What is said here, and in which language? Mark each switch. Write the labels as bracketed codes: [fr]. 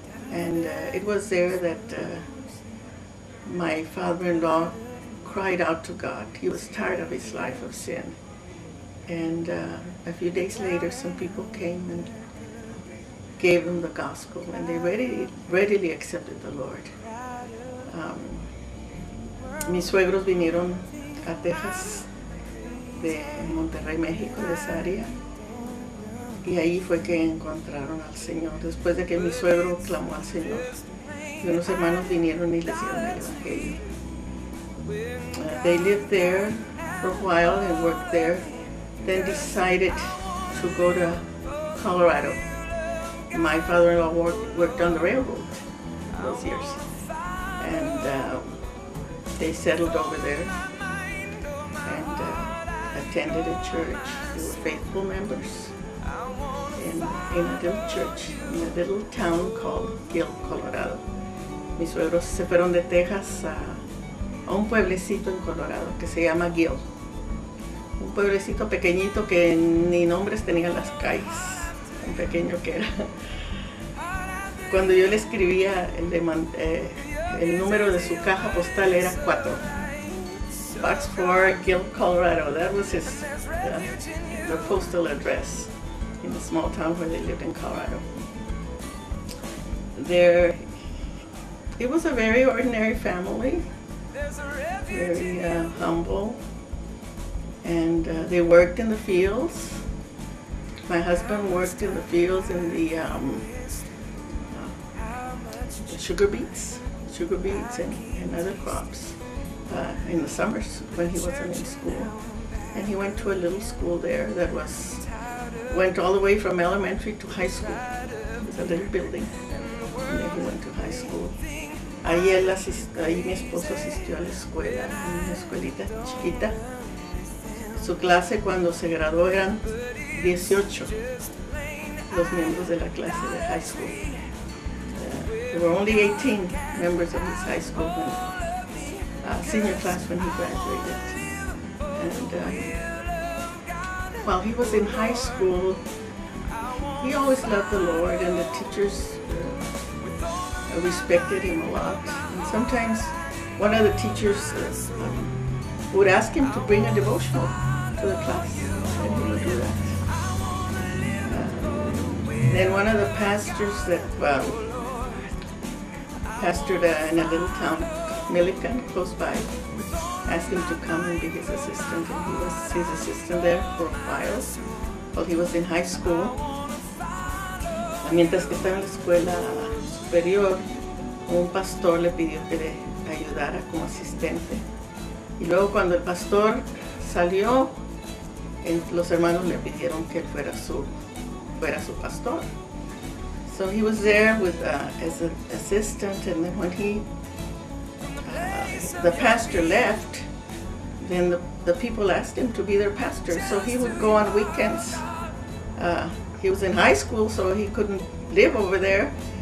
[en] And it was there that my father-in-law cried out to God. He was tired of his life of sin. And a few days later, some people came and gave him the gospel, and they readily accepted the Lord. [es] Mis suegros vinieron a Texas, de Monterrey, México, de esa área. Y ahí fue que encontraron al Señor. Después de que mi suegro clamó al Señor, y unos hermanos vinieron y les dieron el Evangelio. [en] They lived there for a while and worked there, then decided to go to Colorado. My father-in-law worked on the railroad those years. And they settled over there and attended a church. They were faithful members in a little church in a little town called Gil, Colorado. [es] Mis suegros se fueron de Texas a un pueblecito en Colorado que se llama Gil. Un pueblecito pequeñito que ni nombres tenían las calles, tan pequeño que era. Cuando yo le escribía, el número de su caja postal era 4. [en] Box 4, Gil, Colorado. That was his the postal address in the small town where they lived in Colorado. There, it was a very ordinary family, very humble. And they worked in the fields. My husband worked in the fields in the sugar beets and other crops in the summers when he wasn't in school. And he went to a little school there that went all the way from elementary to high school. It was a little building, and then he went to high school. [es] Ahí mi esposo asistió a la escuela, en una escuelita chiquita. Su clase cuando se graduó eran 18 los miembros de la clase de high school. [en] There were only 18 members of his high school when, senior class when he graduated. And while he was in high school, he always loved the Lord, and the teachers respected him a lot. And sometimes one of the teachers would ask him to bring a devotional to the class, and he would do that. Then one of the pastors that pastored in a little town, Millican, close by, asked him to come and be his assistant, and he was his assistant there for a while he was in high school. [es] Mientras que estaba en la escuela superior, un pastor le pidió que le ayudara como asistente. Y luego cuando el pastor salió, los hermanos le pidieron que fuera su pastor. [en] So he was there with as an assistant, and then when the pastor left, then the people asked him to be their pastor. So he would go on weekends. He was in high school, so he couldn't live over there.